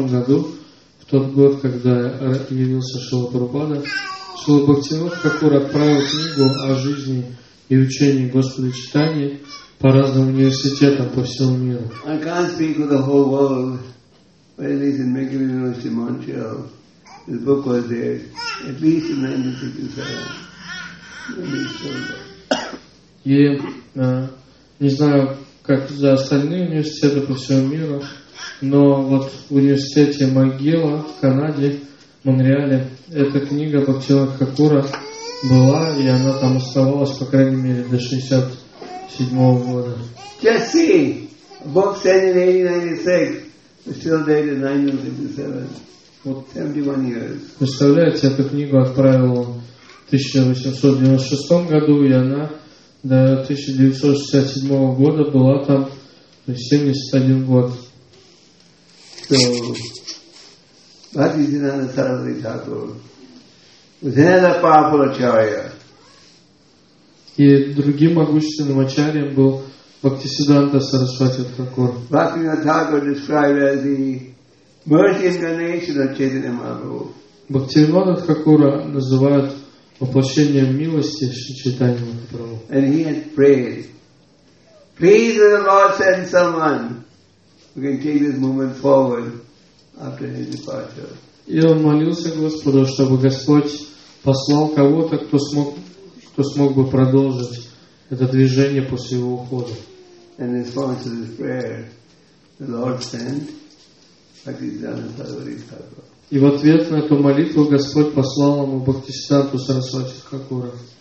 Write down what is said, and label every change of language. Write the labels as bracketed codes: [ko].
[ru] году, в тот год, когда явился Шрила Прабхупада, Шрила Бхактивинода Тхакура отправил книгу о жизни и учении Господа Чайтаньи по разным университетам по всему миру. [en] I can't speak for the whole world, but at least in Macquarie University in Montreal, the book was there, at least in 1967. [ru] И не знаю, как за остальные университеты по всему миру, но вот в университете Макгилла в Канаде, в Монреале, эта книга Бхактивинода Тхакура была, и она там оставалась, по крайней мере, до 67-го года. [en] Just see! A book sent in 1896, but still dated 1957. 71 years. [ru] Представляете, эту книгу отправил он в 1896 году, и она до 1967 года была там 71 год. [en] So, Bhaktisiddhanta Saraswati Thakur was another powerful acharya. [ru] И другим могущественным ачарьем был Бхактисиддханта Сарасвати Тхакур. [en] Бхактисиддханта Тхакур described as the mercy incarnation of Чайтанья Махапрабху. [ru] Бхактисиддханта Тхакура называют воплощением милости Шри Чайтанья Махапрабху. [en] And he had prayed, please let the Lord send someone who can take this movement forward after his departure. [ru] И он молился Господу, чтобы Господь послал кого-то, кто смог бы продолжить это движение после его ухода. [en] And in response to this prayer, the Lord sent Bhaktisiddhanta Saraswati Thakura. [ru] И в ответ на эту молитву Господь послал ему Бхактисиддханту Сарасвати Тхакура.